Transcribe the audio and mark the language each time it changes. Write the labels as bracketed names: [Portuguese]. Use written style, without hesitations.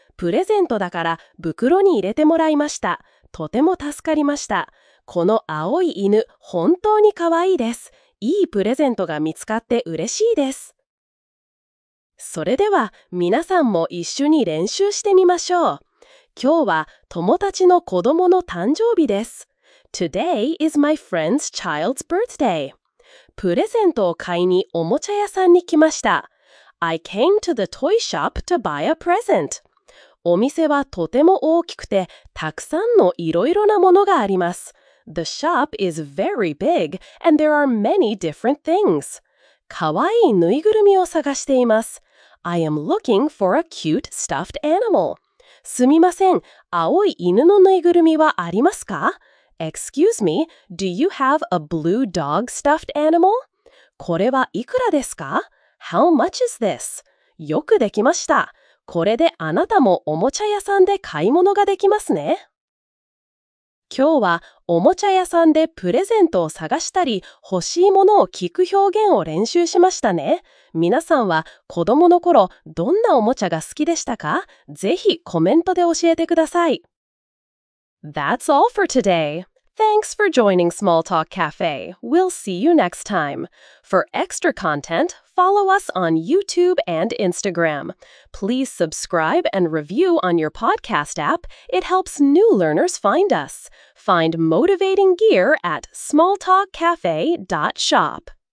[Japanese] プレゼントだから袋に入れてもらいました。とても助かりました。この青い犬、本当に可愛いです。いいプレゼントが見つかって嬉しいです。それでは、皆さんも一緒に練習してみましょう。今日は友達の子供の誕生日です。 [English] Today is my friend's child's birthday. [Japanese] プレゼントを買いにおもちゃ屋さんに来ました。 [English] I came to the toy shop to buy a present. [Japanese] お店はとても大きくて、たくさんのいろいろなものがあります。 [English] The shop is very big and there are many different things. [Japanese] かわいいぬいぐるみを探しています。 [English] I am looking for a cute stuffed animal. [Japanese] すみません、青い犬のぬいぐるみはありますか？ [English] Excuse me, do you have a blue dog stuffed animal? [Japanese] これはいくらですか？ [English] How much is this? [Japanese] よくできました。これであなたもおもちゃ屋さんで買い物ができますね。今日はおもちゃ屋さんでプレゼントを探したり、欲しいものを聞く表現を練習しましたね。皆さんは子供の頃どんなおもちゃが好きでしたか？ぜひコメントで教えてください。 [English] That's all for today. Thanks for joining Small Talk Cafe. We'll see you next time. For extra content,Follow us on YouTube and Instagram. Please subscribe and review on your podcast app. It helps new learners find us. Find motivating gear at smalltalkcafe.shop.